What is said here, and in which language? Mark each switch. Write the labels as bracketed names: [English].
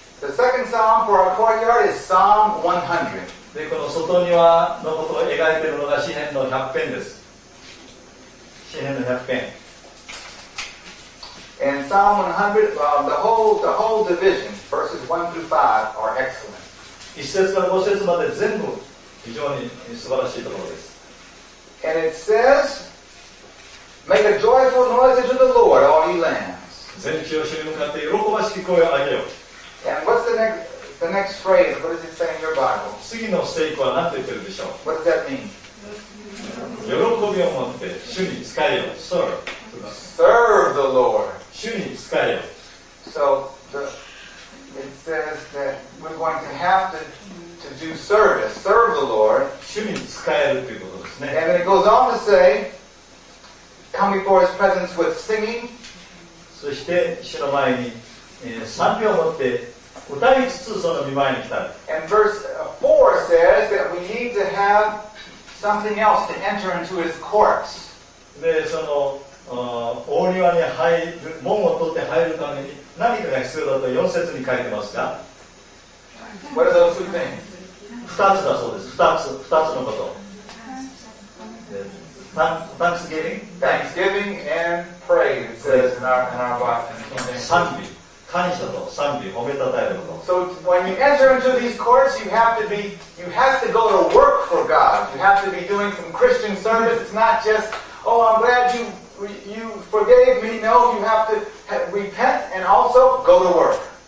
[English] The second psalm for our courtyard is Psalm 100. [Japanese] でこの外庭のことを描いているのが詩編の100編です。詩編の100編。 [English] And Psalm 100, the whole division, verses 1 through 5, are excellent. [Japanese] 一節から五節まで全部非常に素晴らしいところです。 [English] And it says, Make a joyful noise unto the Lord, all ye lands. [Japanese] 全地を主に向かって喜ばしき声を上げよう。 [English] And what's the next phrase? What does it say in your Bible? [Japanese] 次の聖句は何と言ってるでしょう。 [English] What does that mean? [Japanese] 喜びを持って主に仕えよ。 [English] Serve. Serve the Lord. [Japanese] 主に仕えよ。 [English] So it says that we're going to have to do service. Serve the Lord. [Japanese] 主に仕えるということですね。 [English] And then it goes on to say, come before His presence with singing. [Japanese] そして主の前に賛美を持って歌いつつその御前に来たら。 [English] And verse 4 says that we need to haveSomething else to enter into his courts. [Japanese] で、その、大庭に入る、門を通って入るために何かが必要だと4節に書いてますが。 [English] What are those two things? [Japanese] 2つだそうです。2つのこと。 [English] Thanksgiving? Thanksgiving and praise, it says in our Bible. [Japanese] 賛美。感謝と賛美、褒めたたえること。 [English] So when you enter into these courts, you have to go to work for God. You have to be doing some Christian service. It's not just, oh, I'm glad you forgave me. No, you have to repent and also go to work.